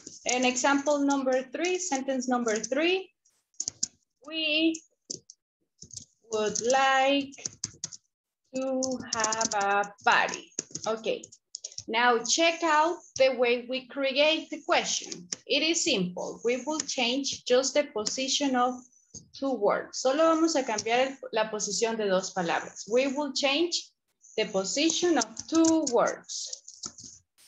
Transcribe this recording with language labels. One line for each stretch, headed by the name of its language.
English: And example number three, sentence number three, we would like to have a party. Okay, now check out the way we create the question. It is simple. We will change just the position of two words.
Spanish: Solo vamos a cambiar la posición de dos palabras.
English: We will change the position of two words.